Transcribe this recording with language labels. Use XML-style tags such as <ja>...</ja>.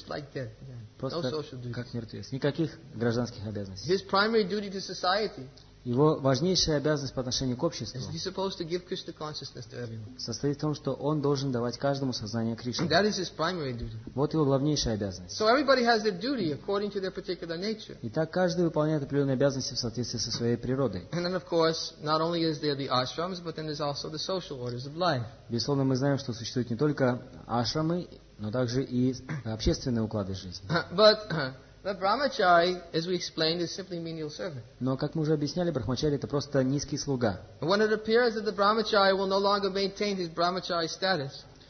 <en>Just like dead, yeah.</en> <ru>Просто</ru> <en>no social duties.</en> <ru>Как мертвец. Никаких гражданских обязанностей.</ru> <en>His primary duty to society.</en> <ru>Его важнейшая обязанность по отношению к обществу</ru> <en>he's supposed to give Krishna consciousness to everyone.</en> <ru>Состоит в том, что он должен давать каждому сознание Кришны.</ru> <en>And that is his primary duty.</en> <ru>Вот его главнейшая обязанность.</ru> <en>So everybody has their duty according to their particular nature.</en> <ru>Итак, каждый выполняет определенные обязанности в соответствии со своей природой.</ru> <en>And then, of course, not only is there the ashrams, but then there's also the social orders of life.</en> <ru>Безусловно, мы знаем, что существуют не только ашрамы, но также и общественные уклады жизни.</ru> <en>But brahmachari, as we explained, is simply menial servant.</en> <ru>Но как мы уже объясняли, брахмачари — это просто низкий слуга.</ru> <en>When it appears that the brahmachari will no longer maintain his brahmachari status,</en>